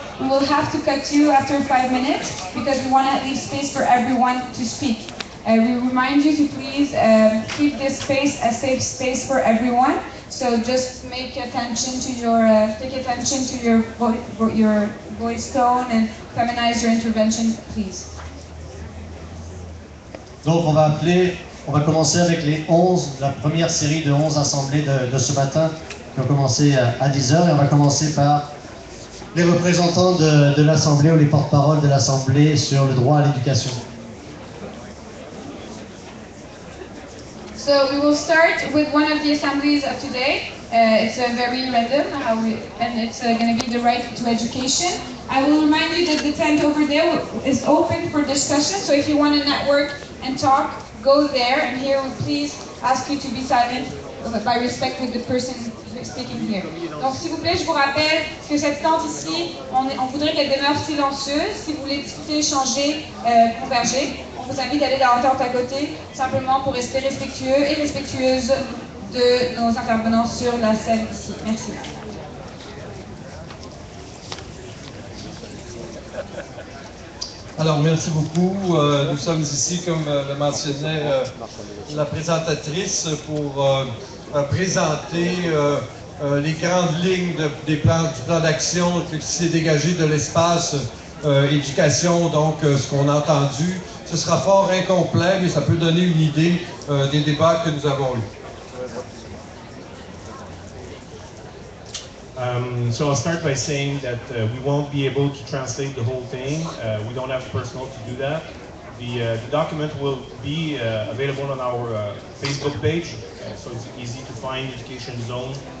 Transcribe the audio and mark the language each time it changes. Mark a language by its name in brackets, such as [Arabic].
[English] We will have to cut you after 5 minutes because we want to leave space for everyone to speak. We remind you to please keep this space a safe space for everyone. So just take attention to your voice tone and feminize your intervention, please. [French] Donc on va commencer avec les 11, la première série de 11 assemblées de ce matin qui ont commencé à 10h, et on va commencer par les représentants de l'Assemblée ou les porte-parole de l'Assemblée sur le droit à l'éducation. [English] So we will start with one of the assemblies of today. It's very random, and it's going to be the right to education. I will remind you that the tent over there is open for discussion, so if you want to network and talk, go there, and here we please ask you to be silent by respect with the person speaking here. [French] Donc s'il vous plaît, je vous rappelle que cette tente ici, on voudrait qu'elle demeure silencieuse. Si vous voulez discuter, échanger, converger, on vous invite d'aller dans la tente à côté, simplement pour rester respectueux et respectueuse de nos intervenants sur la scène ici. Merci. Alors, merci beaucoup. Nous sommes ici, comme le mentionnait la présentatrice, pour présenter les grandes lignes du plan d'action qui s'est dégagé de l'espace éducation, donc ce qu'on a entendu. Ce sera fort incomplet, mais ça peut donner une idée des débats que nous avons eus. [English] So I'll start by saying that we won't be able to translate the whole thing. We don't have the personnel to do that. The document will be available on our Facebook page, so it's easy to find Education Zone.